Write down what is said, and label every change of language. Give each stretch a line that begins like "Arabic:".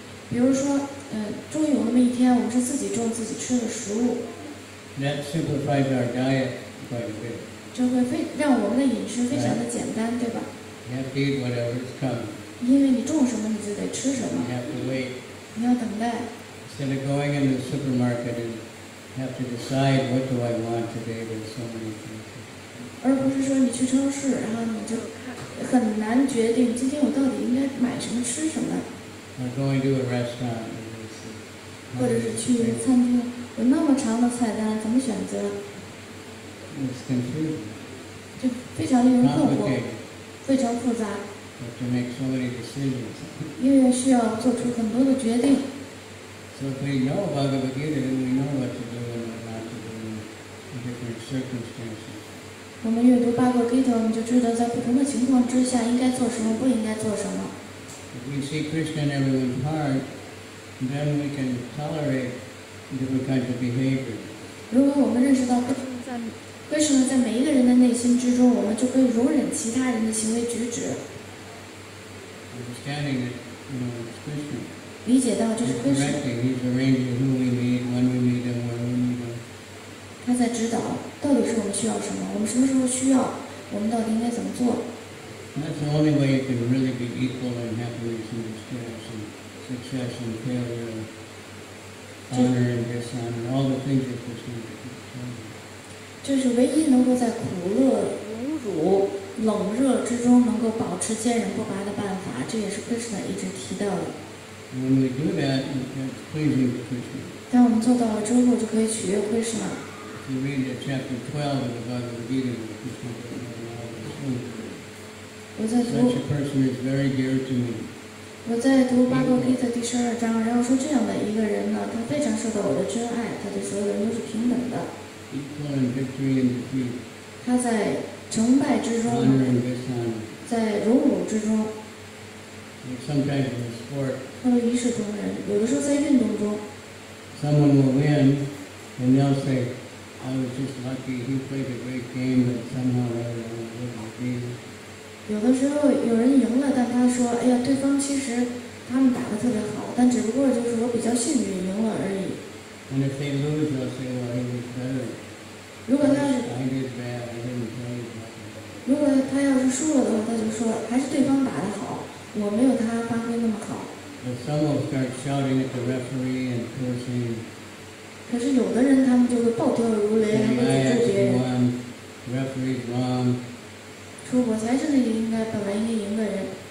Chinese: 比如说，终于有那么一天，我们是自己种自己吃的食物。
English: That simplifies our diet quite a bit.
Chinese: 就会让我们的饮食非常的简单，
English: right.
Chinese: 对吧
English: ？You have to eat whatever is coming.
Chinese: 因为你种什么，你就得吃什么。
English: You have to wait.
Chinese: 你要等待。
English: Instead of going into the supermarket and have to decide what do I want today, there's so many things.
Chinese: 而不是说你去超市，然后你就很难决定今天我到底应该买什么吃什么。
English: Or going to a restaurant.
Chinese: 或者是去餐厅，有那么长的菜单，怎么选择
English: ？It's confusing.
Chinese: 就非常令人困惑，非常复杂。
English: You have to make so many decisions.
Chinese: 因为需要做出很多的决定。
English: So if we know about the beginning, we know what to do and what not to do in different circumstances.
Chinese: 我们阅读巴格吉特，我们就知道在不同的情况之下应该做什么，不应该做什么。
English: If we see Krishna in everyone's heart, then we can tolerate different kinds of behavior.
Chinese: 如果我们认识到Krishna在每一个人的内心之中，我们就可以容忍其他人的行为举止。
English: Understanding that, you know, it's Krishna.
Chinese: 理解到就是Krishna.
English: He's arranging who we meet, when we meet, and where.
Chinese: 在指导到底是我们需要什么，我们什么时候需要，我们到底应该怎么做。
English: That's the only way you can really be equal in happiness and distress and success and failure and honor and dishonor, all the things that this world can tell you.
Chinese: 就是唯一能够在苦乐、侮辱、冷热之中能够保持坚韧不拔的办法，这也是 Krishna 一直提到的。
English: When we do that, it's pleasing to Krishna.
Chinese: 当我们做到了之后，就可以取悦 Krishna。
English: If you read chapter 12 of the Bhagavad Gita, Krishna will have all the soul. Such a person is very dear to me.
Chinese: 我在读《巴格丽特》第十二章，然后说这样的一个人呢，他非常受到我的真爱，他对所有人都是平等的。
English: Equal in victory and defeat.
Chinese: 他在成败之中。
English: Honor and dishonor.
Chinese: 在荣辱之中。
English: Sometimes in sport.
Chinese: 他们一视同仁，有的时候在运动中。
English: Someone will win, and they'll say, "I was just lucky. He played a great game, but somehow I wasn't able to."
Chinese: 有的时候有人赢了，但他说：“哎呀，对方其实他们打得特别好，但只不过就是我比较幸运赢了而已。”
English: And if they lose, they'll say, "Well, he was better."
Chinese: 如果他是
English: I did bad, I didn't play well.
Chinese: 如果他要是输了的话，他就说还是对方打得好，我没有他发挥那么好。
English: But some will start shouting at the referee and cursing.
Chinese: 可是有的人他们就会暴跳如雷，还会指责别人。
English: Referee's wrong.
Chinese: 说我才是那个应该本来应该赢的人。